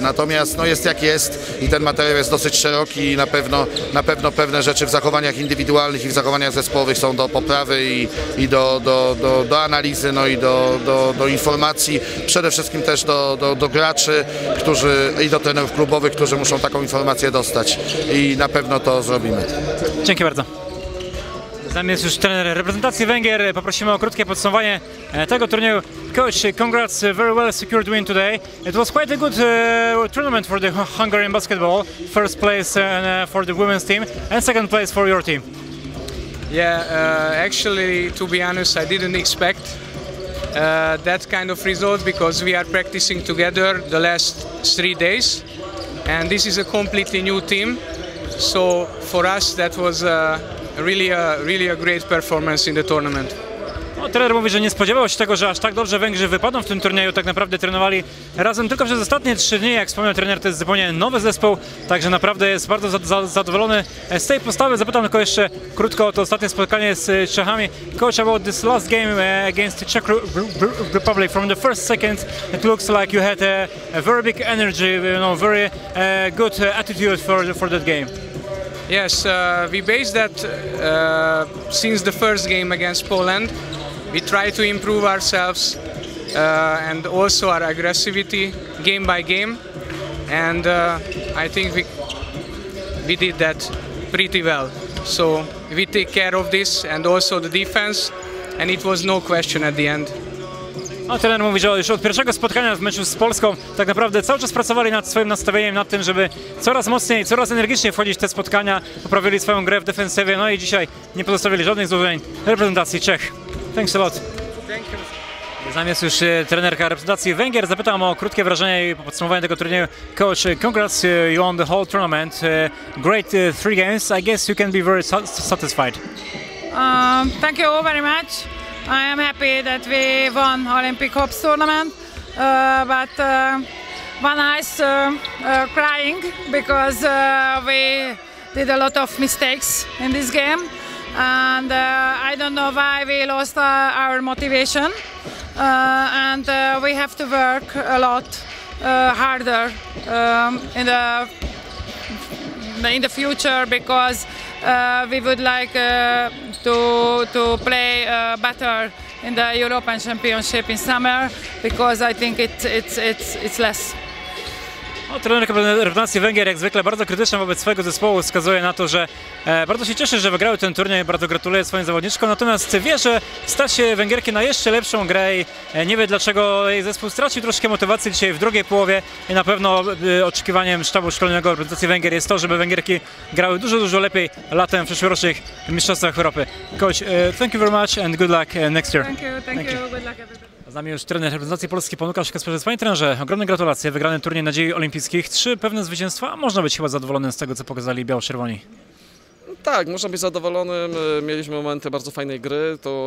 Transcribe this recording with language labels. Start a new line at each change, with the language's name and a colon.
Polish: Natomiast no jest jak jest i ten materiał jest dosyć szeroki i na pewno pewne rzeczy w zachowaniach indywidualnych i w zachowaniach zespołowych są do poprawy i do analizy, no i do informacji. Przede wszystkim też do graczy, którzy i do trenerów klubowych, którzy muszą taką informację dostać. I na pewno to zrobimy. Dzięki bardzo. Z nami jest już trener reprezentacji Węgier. Poprosimy o krótkie podsumowanie tego turnieju.
English: Coach, congrats, very well secured win today. It was quite a good tournament for the Hungarian basketball. First place for the women's team and second place for your team. Yeah, actually, to be honest, I didn't expect that kind of result because we are practicing together the last 3 days, and this is a completely new team. So for us that was really a great performance in the tournament.
Polish: Trener mówi, że nie spodziewał się tego, że aż tak dobrze Węgrzy wypadną w tym turnieju. Tak naprawdę trenowali razem tylko przez ostatnie 3 dni. Jak wspomniał trener, to jest zupełnie nowy zespół, także naprawdę jest bardzo zadowolony z tej postawy. Zapytam tylko jeszcze krótko o to ostatnie spotkanie z Czechami.
English: Coach, about this last game against Czech Republic, from the first second it looks like you had a very big energy, you know, very good attitude for that game. Yes, we based that since the first game against Poland. We try to improve ourselves and also our aggressivity game by game, and I think we did that pretty well. So we take care of this and also the defense, and it was no question at the end.
Polish: No, trener mówi, że już od pierwszego spotkania w meczu z Polską tak naprawdę cały czas pracowali nad swoim nastawieniem, nad tym, żeby coraz mocniej, coraz energiczniej wchodzić w te spotkania, poprawili swoją grę w defensywie, no i dzisiaj nie pozostawili żadnych złudzeń reprezentacji Czech.
English: Thanks a lot. Thank you.
Polish: Z nami jest już trenerka reprezentacji Węgier. Zapytam o krótkie wrażenie i podsumowanie tego turnieju.
English: Coach, congrats you on the whole tournament. Great 3 games. I guess you can be very satisfied. Thank you all very much. I am happy that we won Olympic Hopes tournament, but one eyes crying because we did a lot of mistakes in this game, and I don't know why we lost our motivation, and we have to work a lot harder in the future, because we would like to play better in the European Championship in summer, because I think it's less.
Polish: No, trener reprezentacji Węgier, jak zwykle bardzo krytyczny wobec swojego zespołu, wskazuje na to, że bardzo się cieszy, że wygrały ten turniej, bardzo gratuluję swoim zawodniczkom, natomiast wie, że stać się Węgierki na jeszcze lepszą grę i nie wie, dlaczego jej zespół stracił troszkę motywacji dzisiaj w drugiej połowie, i na pewno oczekiwaniem sztabu szkoleniowego reprezentacji Węgier jest to, żeby Węgierki grały dużo, dużo lepiej latem w przyszłorocznych mistrzostwach Europy.
English: Coach, thank you very much and good luck next year. Thank you. Good luck everybody.
Polish: Z nami już trener reprezentacji Polski, pan Łukasz Kasperzec. Panie trenerze, ogromne gratulacje, wygrany turniej nadziei olimpijskich. 3 pewne zwycięstwa, można być chyba zadowolonym z tego, co pokazali biało-czerwoni. Tak, można być zadowolonym. Mieliśmy momenty bardzo fajnej gry.